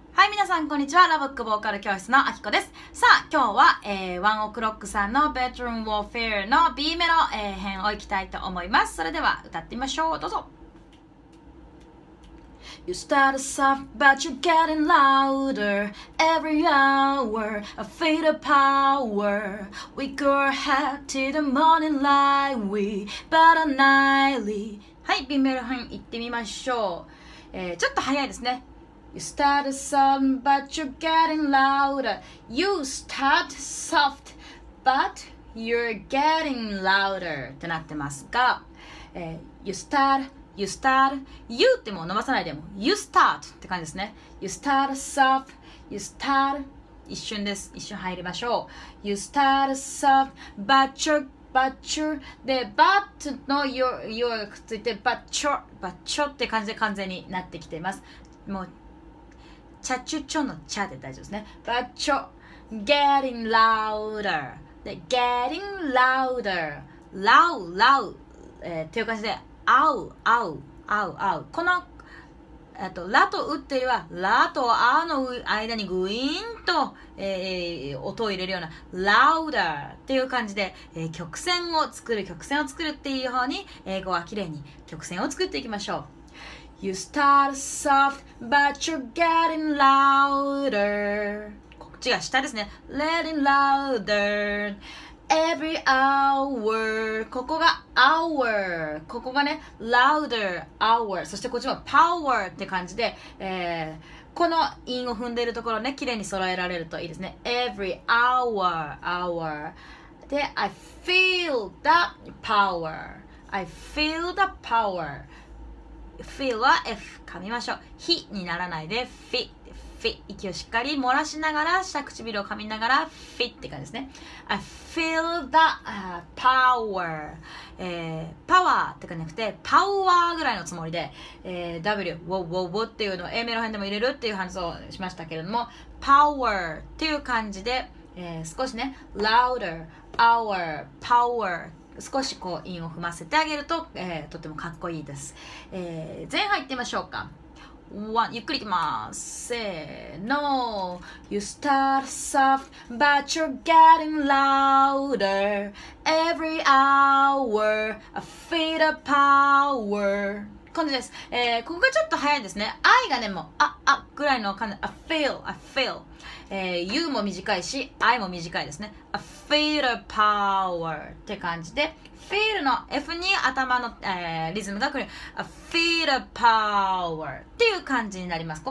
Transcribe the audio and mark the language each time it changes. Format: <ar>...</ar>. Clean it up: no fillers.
<ja>みなさんこんにちは、ラボックボーカル教室のあきこです。さあ今日は、ワンオクロックさんのベッドルームウォーフェアの B メロ、編をいきたいと思います。それでは歌ってみましょう、どうぞ。</ja> <en>You start soft but you're getting louder Every hour I feel the power We go ahead to the morning light We battle nightly。</en> <ja>はい、 B メロ編いってみましょう、ちょっと早いですね。</ja> <en>You start soft but you're getting louder You start soft but you're getting louder ってなってますが、 You start You ってもう伸ばさないでも You start って感じですね。</en> <ja>You start soft You start 一瞬です、一瞬入りましょう。 You start soft But you で But の you がくっついて But you って感じで完全になってきています。もうチャチュチョのチャで大丈夫ですね。 But you Getting louder で Getting louder Loud、っていう感じでアウこのラとウっていうはラとアの間にグイーンと、音を入れるような louder っていう感じで、曲線を作るっていう方に英語は綺麗に曲線を作っていきましょう。 You start soft but you're getting louder こっちが下ですね。 Letting louderEvery hour ここが hour ここがね louder hour そしてこっちも power って感じで、この韻を踏んでいるところね綺麗に揃えられるといいですね。 Every hour で I feel the power I feel the power feel は F 噛みましょう。 he にならないで fit 息をしっかり漏らしながら下唇を噛みながら fit って感じですね。 I feel the power、 power ってかなくて power ぐらいのつもりで、W wo っていうのを A メロ編でも入れるっていう話をしましたけれども power っていう感じで、少しね louder our power少しこう韻を踏ませてあげると、とってもかっこいいです。前半いってみましょうか。One, ゆっくりいきます。せーの。</ja> <en>You start soft, but you're getting louder. Every hour, I feel the power.</en> <ja>感じです。ここがちょっと早いですね。I がね、もう、あぐらいの感じ。</ja> <en>I feel.</en> <ja>You も短いし、I も短いですね。 I feel the power って感じで、feel の F に頭の、リズムが来る。 I feel the power っていう感じになります。</ja>